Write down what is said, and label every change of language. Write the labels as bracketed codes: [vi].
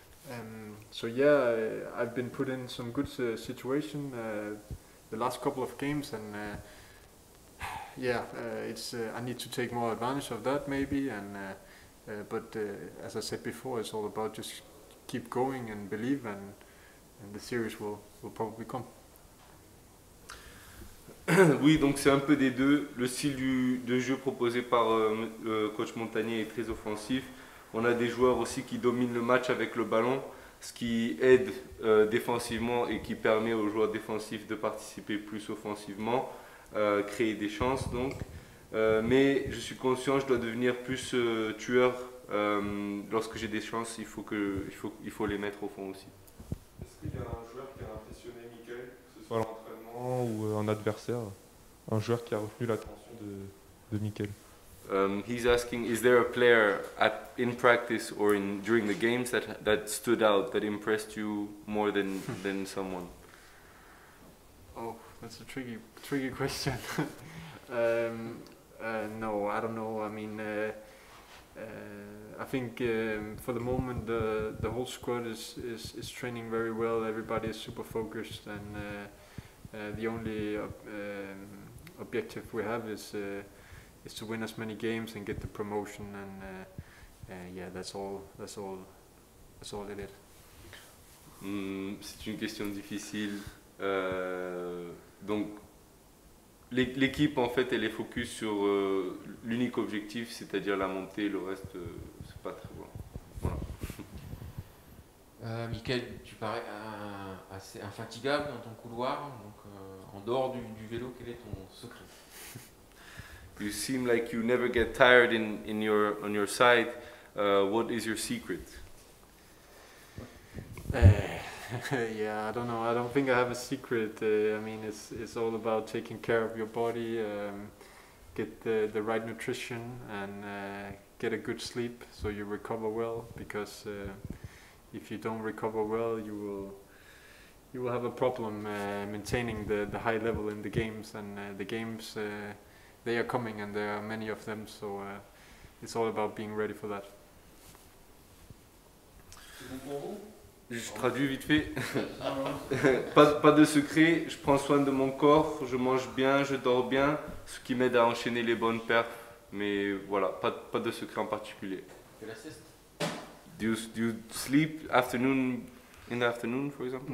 [en] I've been put in some good situation the last couple of games, and yeah, it's I need to take more advantage of that maybe, and but as I said before, it's all about just keep going and believe, and the series will probably come. [fr] Oui, donc c'est un peu des deux. Le style de jeu proposé par coach Montagnier est très offensif. On a des joueurs aussi qui dominent le match avec le ballon, ce qui aide défensivement et qui permet aux joueurs défensifs de participer plus offensivement, créer des chances donc. Mais je suis conscient, je dois devenir plus tueur. Lorsque j'ai des chances, il faut les mettre au fond aussi. Est-ce qu'il y a un joueur qui a impressionné Mikkel, que ce soit voilà. L'entraînement ou un adversaire, un joueur qui a retenu l'attention de Mikkel? [en] He's asking, is there a player in practice or during the games that stood out, that impressed you more than someone? Oh, that's a tricky question. No, I don't know. I mean, I think for the moment the whole squad is training very well. Everybody is super focused, and the only objective we have is to win as many games and get the promotion, and yeah, that's all it is. [fr] C'est une question difficile. Donc l'équipe en fait elle est focus sur l'unique objectif, c'est-à-dire la montée, le reste c'est pas très bon. Voilà. Mikkel, tu parais assez infatigable dans ton couloir, donc en dehors du vélo, quel est ton secret? [en] You seem like you never get tired on your side. What is your secret? Yeah, I don't know. I don't think I have a secret. I mean, it's all about taking care of your body, get the right nutrition, and get a good sleep so you recover well. Because if you don't recover well, you will have a problem maintaining the high level in the games, and the games. They are coming, and there are many of them, so it's all about being ready for that. [fr] Je traduis vite fait. pas de secret, je prends soin de mon corps, je mange bien, je dors bien, ce qui m'aide à enchaîner les bonnes perfs, mais voilà, pas de secret en particulier. Tu fais la sieste? [en] Do you sleep afternoon, in the afternoon, for example?